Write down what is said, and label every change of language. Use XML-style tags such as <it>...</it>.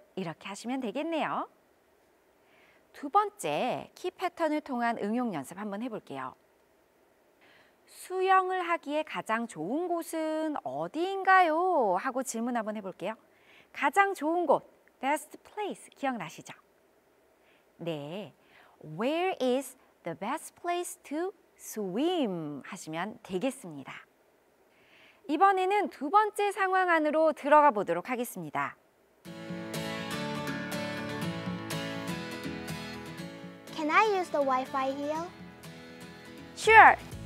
<ko>이렇게 하시면 되겠네요. 두 번째 키 패턴을 통한 응용 연습 한번 해볼게요. 수영을 하기에 가장 좋은 곳은 어디인가요? 하고 질문 한번 해볼게요. 가장 좋은 곳, best place, 기억나시죠?</ko> <en>네, where is the best place to swim?</en> <ko>하시면 되겠습니다. 이번에는 두 번째 상황 안으로 들어가 보도록 하겠습니다.</ko> <en>Can I use the Wi-Fi here? Sure.</en>